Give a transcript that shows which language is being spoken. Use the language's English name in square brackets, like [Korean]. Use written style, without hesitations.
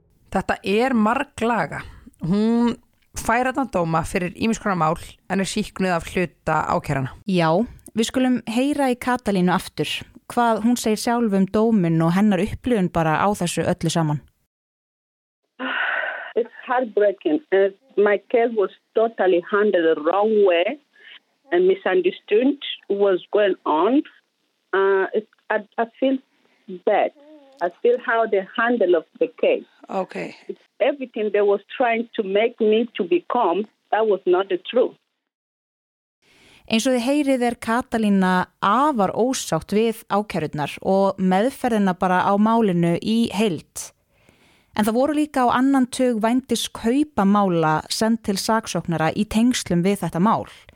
[Icelandic] Þetta marglaga. Hún færa þann dóma fyrir ýmis konar mál en sýknuð af hluta ákærana. Já, við skulum heyra í Katalínu aftur hvað hún segir sjálf dóminn og hennar upplifun bara á þessu öllu saman. [English] It's heartbreaking. My case was totally handled the wrong way and misunderstood was going on. I feel bad. I feel how they handle of the case. Okay. Everything they was trying to make me to become, that was not the truth. [Icelandic] Eins og þið heyrið Katalína afar ósátt við ákærurnar og meðferðina bara á málinu í heild. En það voru líka á annan tug vændis kaupa mála send til saksóknara í tengslum við þetta mál.